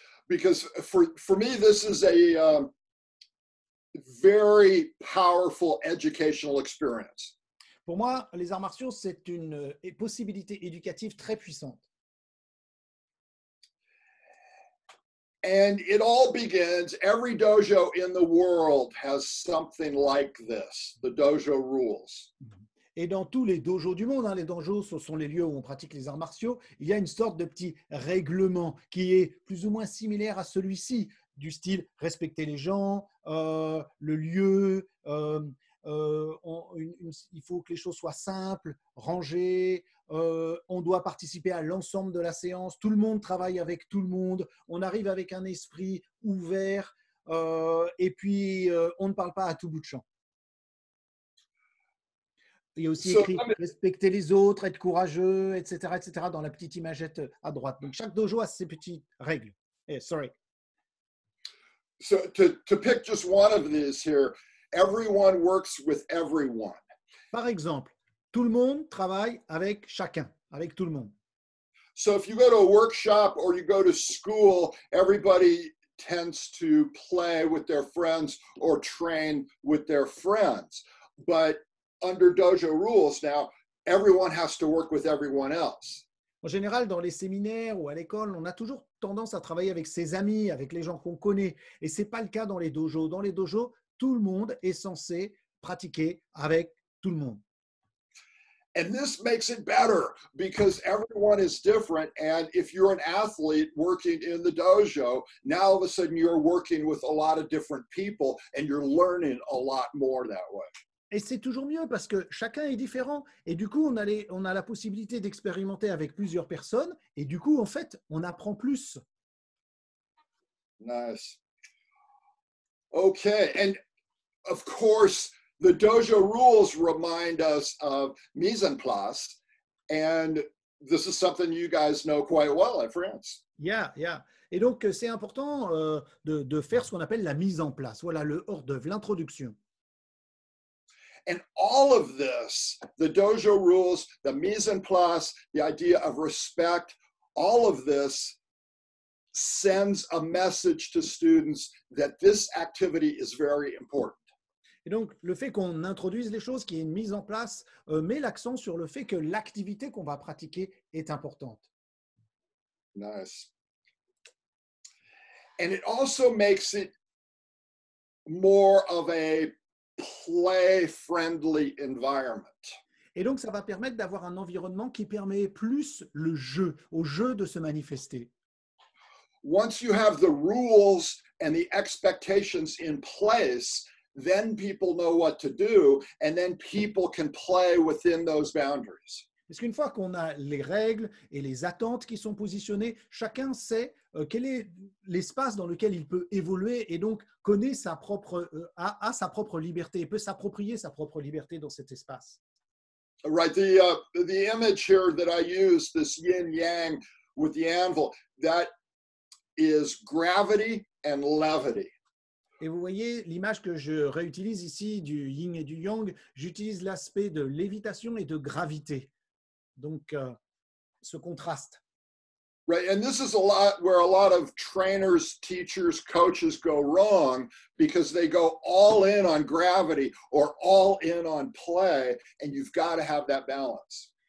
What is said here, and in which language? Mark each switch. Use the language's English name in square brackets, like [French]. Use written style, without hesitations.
[English] Because for me, this is a very powerful educational experience. [French] Pour moi, les arts martiaux, c'est une possibilité éducative très puissante. [English] And it all begins, every dojo in the world has something like this, the dojo rules. [French] Et dans tous les dojos du monde, hein, les dojos, ce sont les lieux où on pratique les arts martiaux, il y a une sorte de petit règlement qui est plus ou moins similaire à celui-ci, du style respecter les gens, le lieu, il faut que les choses soient simples, rangées, on doit participer à l'ensemble de la séance, tout le monde travaille avec tout le monde, on arrive avec un esprit ouvert, et puis on ne parle pas à tout bout de champ. Il y a aussi écrit respecter les autres, être courageux, etc., etc., dans la petite imagette à droite. Donc chaque dojo a ses petites règles. [English] Hey, sorry. So to pick just one of these here, everyone works with everyone. [French] Par exemple, tout le monde travaille avec chacun, avec tout le monde. [English] So if you go to a workshop or you go to school, everybody tends to play with their friends or train with their friends, but under dojo rules, now everyone has to work with everyone else. [French] En général, dans les séminaires ou à l'école, on a toujours tendance à travailler avec ses amis, avec les gens qu'on connaît. Et ce n'est pas le cas dans les dojos. Dans les dojos, tout le monde est censé pratiquer avec tout le monde. [English] And this makes it better because everyone is different. And if you're an athlete working in the dojo, now all of a sudden you're working with a lot of different people and you're learning a lot more that way. [French] Et c'est toujours mieux parce que chacun est différent. Et du coup, on a la possibilité d'expérimenter avec plusieurs personnes. Et du coup, en fait, on apprend plus. [English] Nice. Okay. And of course, the dojo rules remind us of mise en place. And this is something you guys know quite well in France. Yeah. [French] Et donc, c'est important de faire ce qu'on appelle la mise en place. Voilà le hors d'œuvre, l'introduction. [English] And all of this, the dojo rules, the mise en place, the idea of respect, all of this sends a message to students that this activity is very important. [French] Et donc, le fait qu'on introduise les choses, qu'il y ait une mise en place, met l'accent sur le fait que l'activité qu'on va pratiquer est importante. [English] Nice. And it also makes it more of a play-friendly environment. [French] Et donc, ça va permettre d'avoir un environnement qui permet plus le jeu, au jeu de se manifester. [English] Once you have the rules and the expectations in place, then people know what to do, and then people can play within those boundaries. [French] Parce qu'une fois qu'on a les règles et les attentes qui sont positionnées, chacun sait quel est l'espace dans lequel il peut évoluer et donc connaît sa propre a sa propre liberté et peut s'approprier sa propre liberté dans cet espace. [English] Right, the image here that I use, this yin yang with the anvil, that is gravity and levity. [French] Et vous voyez, l'image que je réutilise ici du yin et du yang, j'utilise l'aspect de lévitation et de gravité. Donc, ce contraste. [English] Right, and this is a lot where a lot of trainers, teachers, coaches go wrong because they go all in on gravity or all in on play, and you've got to have that balance.